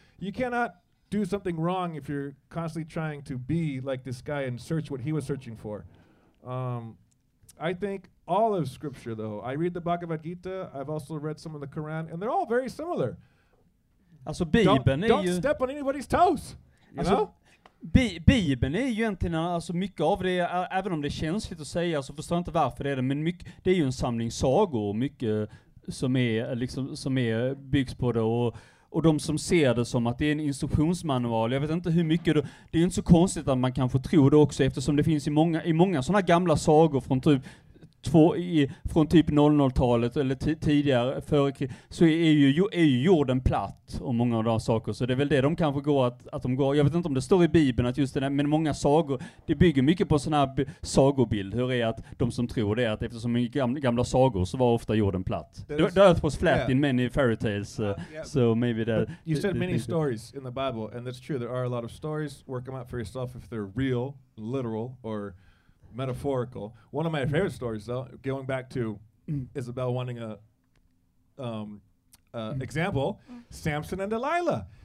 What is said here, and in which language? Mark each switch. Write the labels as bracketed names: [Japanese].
[English] You cannot do something wrong if you're constantly trying to be like this guy and search what he was searching for. I think all of Scripture, though, I read the Bhagavad Gita, I've also read some of the Quran, and they're all very similar. [Swedish] Also, Bibeln, [English] don't step on anybody's toes, you know? [Swedish] Bibeln är ju egentligen alltså mycket av det, även om det är känsligt att säga, så förstår jag inte varför det är det, men mycket, det är ju en samling sagor, mycket som är liksom, som är byggs på det, och de som ser det som att det är en instruktionsmanual, jag vet inte hur mycket, det är ju inte så konstigt att man kan få tro det också, eftersom det finns i många sådana gamla sagor från typ från typ 00-talet eller tidigare, så är ju jorden platt och många av de saker, så det är väl det de kanske går att de går, jag vet inte om det står i Bibeln att just det där, men många sagor, det bygger mycket på sån här sagobild, hur är att de som tror det, att eftersom i gamla sagor så var ofta jorden platt. [English] The earth was flat in many fairy tales, so maybe that... You said many stories in the Bible, and that's true, there are a lot of stories, work them out for yourself if they're real, literal, or metaphorical. One of my favorite stories, though, going back to Isabel wanting a example, Samson and Delilah.